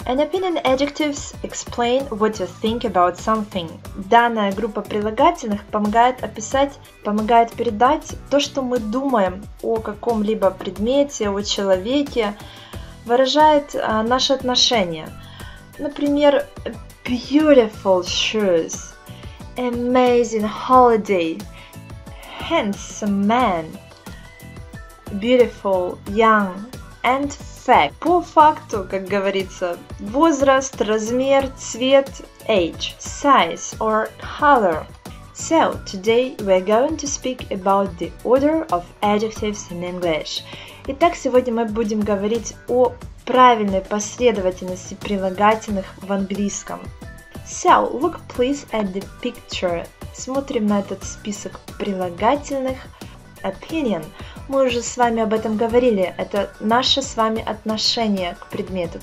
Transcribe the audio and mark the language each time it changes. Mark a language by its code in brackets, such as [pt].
[en] An opinion adjectives explain what you think about something. [ru] Данная группа прилагательных помогает описать, помогает передать то, что мы думаем о каком-либо предмете, о человеке, выражает наши отношения. Например, [en] beautiful shoes, amazing holiday, handsome man, beautiful, young, and fact. [ru] По факту, как говорится, возраст, размер, цвет, [en] age, size, or color. So, today we're going to speak about the order of adjectives in English. [ru] Итак, сегодня мы будем говорить о правильной последовательности прилагательных в английском. [en] So, look please at the picture. [ru] Смотрим на этот список прилагательных. [en] Opinion. [ru] Мы уже с вами об этом говорили. Это наше с вами отношение к предмету.